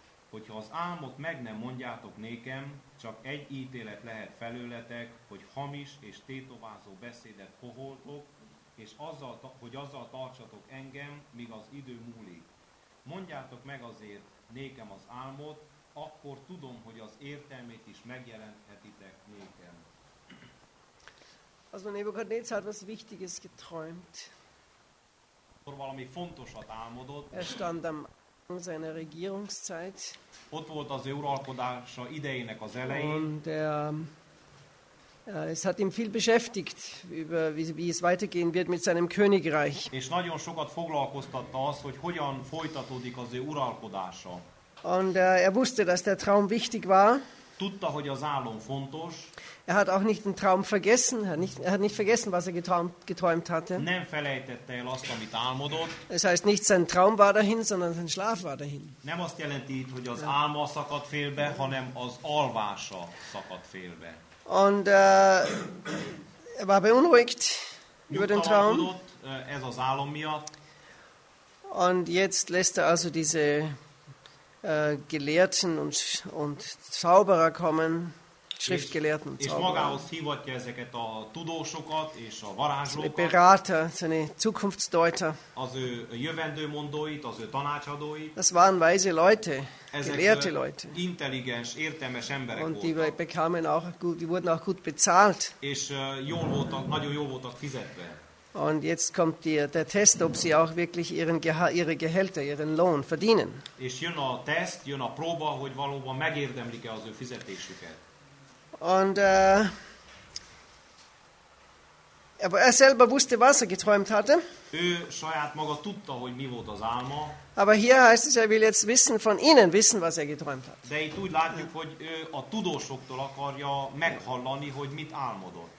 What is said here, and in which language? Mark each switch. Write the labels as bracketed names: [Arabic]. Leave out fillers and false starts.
[Hungarian] Hogyha az álmot meg nem mondjátok nékem, csak egy ítélet lehet felőletek, hogy hamis és tétovázó beszédet koholtok, és azzal, hogy azzal tartsatok engem, míg az idő múlik. Mondjátok meg azért nékem az álmot, akkor tudom, hogy az értelmét is megjelenthetitek nékem. [German] Also Nebukadnezar hat was Wichtiges geträumt. [Hungarian] Valami fontosat álmodott. [German] Er stand am Anfang seiner Regierungszeit. [Hungarian] Ott volt az uralkodása idejének az elején. [German] Und es hat ihn viel beschäftigt, über wie es weitergehen wird mit seinem Königreich. [Hungarian] És nagyon sokat foglalkoztatta az, hogy hogyan folytatódik az ő uralkodása. [German] Und er wusste, dass der Traum wichtig war. [Hungarian] Tudta, hogy az álom fontos. [German] Er hat auch nicht den Traum vergessen, er hat nicht vergessen, was er geträumt hatte. [Hungarian] Nem felejtette el azt, amit álmodott. [German] Das heißt nicht, sein Traum war dahin, sondern sein Schlaf war dahin. [Hungarian] Nem azt jelenti, hogy az álma szakadt félbe, hanem az alvása szakadt félbe. [German] Und er war beunruhigt über den Traum. [Hungarian] Ez az álom miatt. [German] Und jetzt lässt er also diese Gelehrten und Zauberer kommen, Schriftgelehrten und Zauberer. [Hungarian] Magához hívatja ezeket a tudósokat és a varázslókat. [German] Seine Berater, seine Zukunftsdeuter. [Hungarian] Az ő jövendőmondóit, az ő tanácsadóit. [German] Das waren weise Leute, gelehrte Leute. [Hungarian] Intelligens, értelmes emberek [German] und [Hungarian] voltak. [German] Und die wurden auch gut bezahlt. [Hungarian] És jól voltak, nagyon jól voltak fizetve. [German] Und jetzt kommt der Test, ob sie auch wirklich ihre Gehälter, ihren Lohn verdienen. [Hungarian] És jön a teszt, jön a próba, hogy valóban megérdemlik-e az ő fizetésüket. [German] Und er selber wusste, was er geträumt hatte. [Hungarian] Ő saját maga tudta, hogy mi volt az álma. [German] Aber hier heißt es, er will jetzt wissen von ihnen wissen, was er geträumt hat. [Hungarian] De itt úgy látjuk, hogy ő a tudósoktól akarja meghallani, hogy mit álmodott.